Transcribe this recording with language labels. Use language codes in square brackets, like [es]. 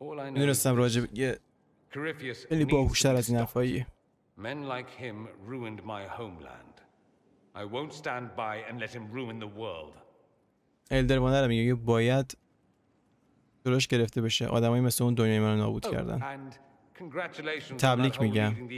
[fa] می‌دونستم راجب یه خیلی باهوش‌تر از این حرفایی. [en] Men like him ruined my homeland. I won't stand by and let him ruin the world. [fa] Elder Wanderer میگه باید جلوش گرفته بشه. آدمای مثل اون دنیای منو نابود کردن. تبریک میگم.